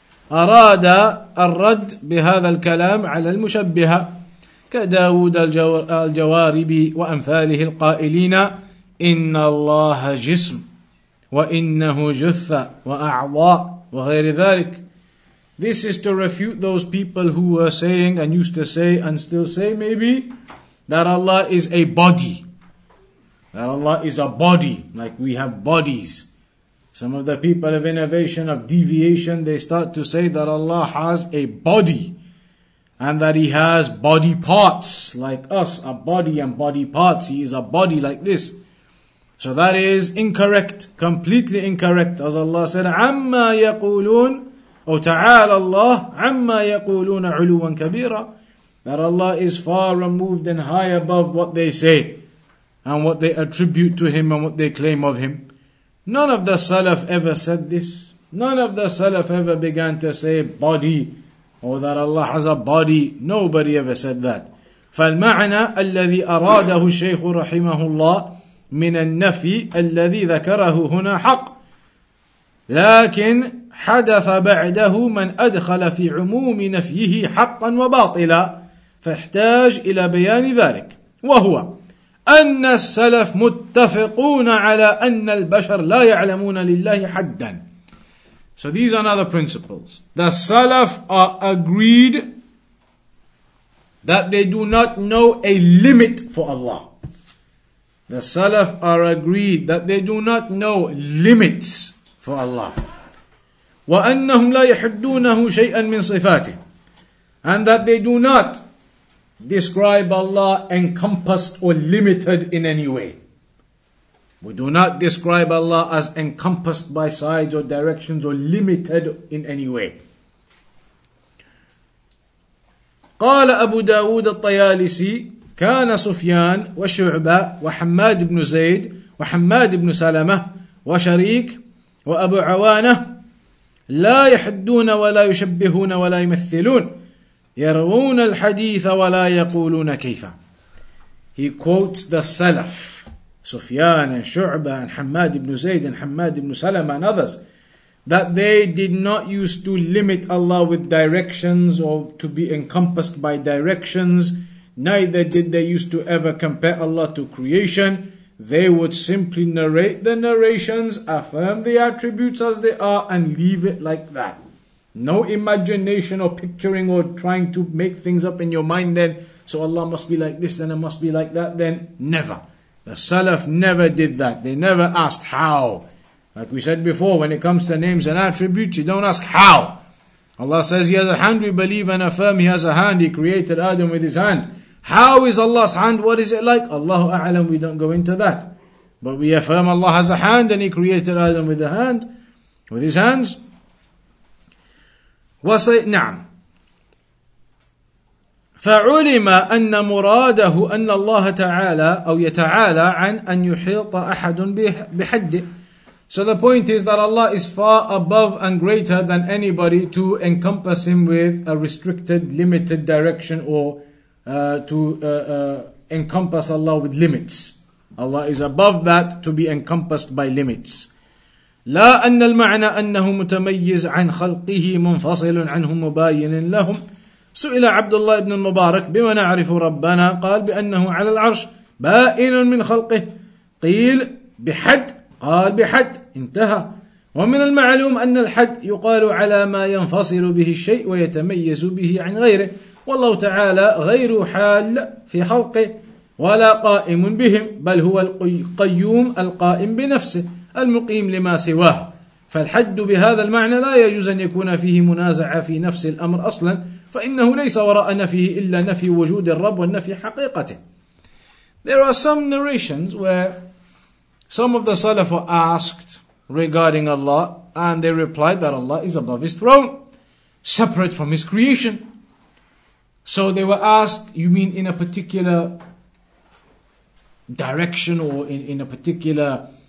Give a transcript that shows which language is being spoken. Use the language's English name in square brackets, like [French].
[Arabic] أراد الرد بهذا الكلام على المشبهة كداود الجواربي وأمثاله القائلين إن الله جسم وإنه جثة وأعضاء وغير ذلك. [English] This is to refute those people who were saying and used to say and still say maybe that Allah is a body. That Allah is a body, like we have bodies. Some of the people of innovation, of deviation, they start to say that Allah has a body and that He has body parts like us, a body and body parts. He is a body like this. So that is incorrect, completely incorrect. As Allah said, [Arabic] عَمَّا يَقُولُونَ تَعَالَ اللَّهُ عَمَّا يَقُولُونَ عُلُوًا كَبِيرًا. [English] That Allah is far removed and high above what they say and what they attribute to Him and what they claim of Him. None of the Salaf ever said this. None of the Salaf ever began to say body or that Allah has a body. Nobody ever said that. [Arabic] فالمعنى الذي أراده الشيخ رحمه الله من النفي الذي ذكره هنا حق لكن حدث بعده من أدخل في عموم نفيه حقا وباطلا فاحتاج إلى بيان ذلك وهو أن السلف متفقون على أن البشر لا يعلمون لله حدا. [English] So these are another principles. The Salaf are agreed that they do not know a limit for Allah. The Salaf are agreed that they do not know limits for Allah. [Arabic] وأنهم لا يحدونه شيئا من صفاته. [English] And that they do not describe Allah encompassed or limited in any way. We do not describe Allah as encompassed by sides or directions or limited in any way. [Arabic] قال أبو داود الطيالسي كان سفيان وشعبة وحماد بن زيد وحماد بن سلمة وشريك وأبو عوانة لا يحدون ولا يشبهون ولا يمثلون يرون الحديث ولا يقولون كيف. [English] He quotes the Salaf, Sufyan and Shu'bah and Hamad ibn Zayd and Hamad ibn Salam and others, that they did not used to limit Allah with directions or to be encompassed by directions, neither did they used to ever compare Allah to creation. They would simply narrate the narrations, affirm the attributes as they are, and leave it like that. No imagination or picturing or trying to make things up in your mind then. So Allah must be like this, then it must be like that, then never. The Salaf never did that. They never asked how. Like we said before, when it comes to names and attributes, you don't ask how. Allah says He has a hand, we believe and affirm He has a hand. He created Adam with His hand. How is Allah's hand? What is it like? Allahu A'lam, we don't go into that. But we affirm Allah has a hand and He created Adam with a hand, with His hands. [Arabic] نعم فعلم أن مراده أن الله تعالى أو يتعالى عن أن يحيط أحد بحد. [English] So the point is that Allah is far above and greater than anybody to encompass Him with a restricted, limited direction or to encompass Allah with limits. Allah is above that to be encompassed by limits. [Arabic] لا أن المعنى أنه متميز عن خلقه منفصل عنهم مباين لهم. سئل عبد الله بن المبارك بما نعرف ربنا قال بأنه على العرش بائن من خلقه قيل بحد قال بحد انتهى. ومن المعلوم أن الحد يقال على ما ينفصل به الشيء ويتميز به عن غيره والله تعالى غير حال في خلقه ولا قائم بهم بل هو القيوم القائم بنفسه المقيم لما سواه فالحد بهذا المعنى لا يجوز أن يكون فيه منازعة في نفس الأمر أصلا فإنه ليس وراء نفيه إلا نفي وجود الرب والنفي حقيقته. [English] There are some narrations where some of the Salaf were asked regarding Allah and they replied that Allah is above His throne, separate from His creation. So they were asked, you mean in a particular direction or in a particular